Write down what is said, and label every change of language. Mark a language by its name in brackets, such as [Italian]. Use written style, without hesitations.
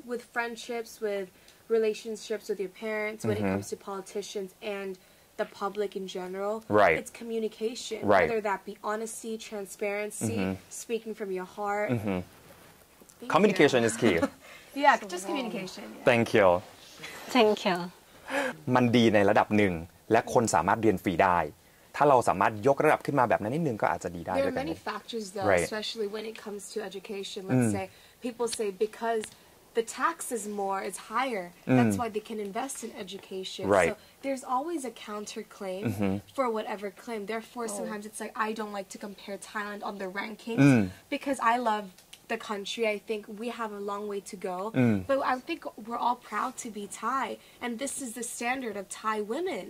[English] With friendships, with relationships with your parents, mm-hmm. when it comes to politicians and the public in general. Right. It's communication. Right. Whether that be honesty, transparency, mm-hmm. speaking from your heart. Mm-hmm. Communication is key. yeah, so just communication. Yeah. Thank you. [Thai] มันดีในระดับหนึ่งและคนสามารถเรียนฟรีได้ถ้าเราสามารถยกระดับขึ้นมาแบบนั้นนิดนึงก็อาจจะดีได้ [English] There are many factors though right. especially when it comes to education let's say people say because the tax is more it's higher that's why they can invest in education right. so there's always a counterclaim for whatever claim therefore sometimes it's like I don't like to compare Thailand on the rankings because I loveThe country, I think we have a long way to go, but I think we're all proud to be Thai, and this is the standard of Thai women.